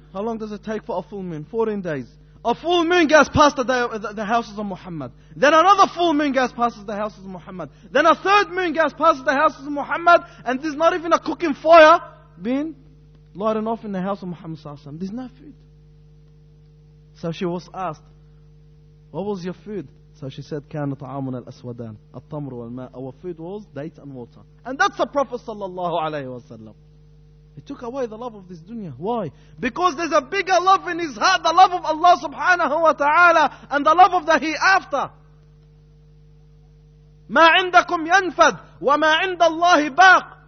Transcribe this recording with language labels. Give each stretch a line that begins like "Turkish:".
English: How long does it take for a full moon? 14 days. A full moon goes past the houses of Muhammad. Then another full moon goes past the houses of Muhammad. Then a third moon goes past the houses of Muhammad. And there's not even a cooking fire being lighting off in the house of Muhammad sallallahu alaihi wasallam. There's no food. So she was asked, what was your food? So she said,
Arabic: كَانَ طَعَامُنَا الْأَسْوَدَانِ الطَّمْرُ وَالْمَاءِ.
English: Our food was date and water. And that's the Prophet sallallahu alayhi wa sallam. He took away the love of this dunya. Why? Because there's a bigger love in his heart, the love of Allah subhanahu wa ta'ala, and the love of the hereafter.
Arabic: مَا عِنْدَكُمْ يَنْفَدْ وَمَا عِنْدَ اللَّهِ بَاقْ.